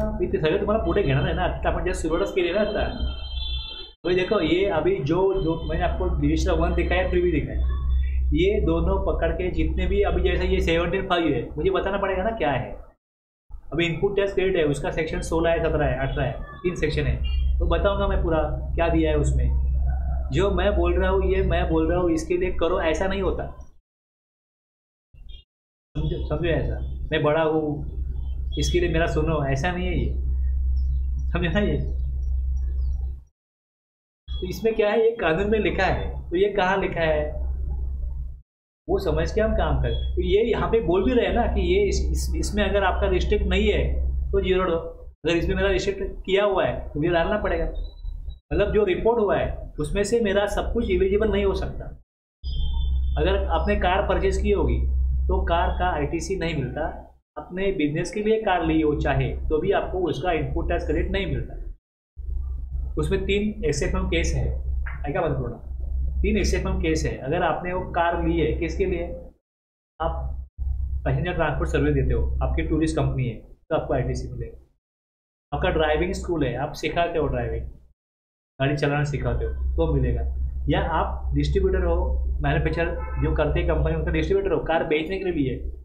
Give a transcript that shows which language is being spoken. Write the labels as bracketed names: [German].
[Marathi] ते सगळं तुम्हाला पुढे घेणार आहे ना, आता आपण जस्ट सुरुवातच केली ना आता। [Hindi] म्हणजे देखो ये अभी जो मैंने आपको डिजिटल वन दिखाया, थ्री भी दिखाया, ये दोनों पकड़ के जितने भी अभी जैसे ये 75 है, मुझे बताना पड़ेगा ना क्या है। अभी इनपुट टेस्ट ग्रेड है उसका सेक्शन 16 है, 17 है, 18 है, 3 सेक्शन है, तो बताऊंगा मैं पूरा क्या दिया है उसमें। जो मैं बोल रहा हूँ ये मैं बोल रहा हूँ इसके लिए करो, ऐसा नहीं होता, समझो ऐसा मैं बड़ा हूँ इसके लिए मेरा सुनो, ऐसा नहीं है ये, समझो ना ये। तो इसमें क्या है, ये कानून में लिखा है, तो ये कहाँ लिखा है वो समझ के हम काम करें। तो ये यहाँ पे बोल भी रहे ना कि ये इसमें अगर आपका रिस्ट्रिक्ट नहीं है तो जीरो डो, अगर इसमें मेरा रिस्ट्रिक्ट किया हुआ है तो मुझे डालना पड़ेगा, मतलब जो रिपोर्ट हुआ है उसमें से मेरा सब कुछ एलिजिबल नहीं हो सकता। अगर आपने कार परचेज की होगी तो कार का ITC नहीं मिलता, अपने बिजनेस के लिए कार ली हो चाहे तो भी आपको उसका इनपुट टैक्स क्रेडिट नहीं मिलता। उसमें 3 SFM केस है, क्या बंद थोड़ा 3 SFM केस है। अगर आपने वो कार ली है किसके लिए, आप पैसेंजर ट्रांसपोर्ट सर्विस देते हो, आपकी टूरिस्ट कंपनी है तो आपको ITC मिलेगा, आपका ड्राइविंग स्कूल है आप सिखाते हो ड्राइविंग, गाड़ी चलाना सिखाते हो तो मिलेगा, या आप डिस्ट्रीब्यूटर हो, मैन्युफैक्चर जो करते हैं कंपनी उनका डिस्ट्रीब्यूटर हो, कार बेचने के लिए भी है।